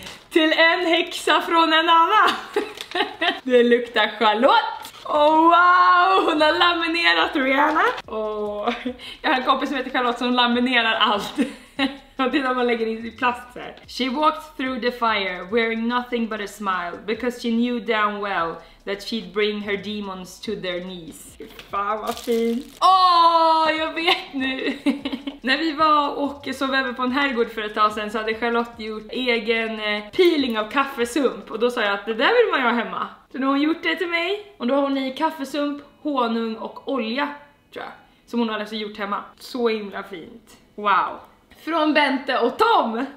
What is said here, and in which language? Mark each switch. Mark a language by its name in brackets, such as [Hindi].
[Swedish] Till en häxa från en annan. Det luktar Charlotte. [English] Oh wow, [Swedish] hon har laminerat Rihanna. Oh, jag har en kompis som heter Charlotte som laminerar allt. Och det är när man lägger in i plast här. [English] She walked through the fire wearing nothing but a smile because she knew damn well that she'd bring her demons to their knees. [Swedish] Fan vad fint. Åh, jag vet nu. När vi var och sov över på en herrgård för ett tag sedan så hade Charlotte gjort egen peeling av kaffesump. Och då sa jag att det där vill man göra hemma. Så nu har hon gjort det till mig. Och då har hon i kaffesump, honung och olja, tror jag. Som hon har alltså gjort hemma. Så himla fint. Wow. Från Bente och Tom.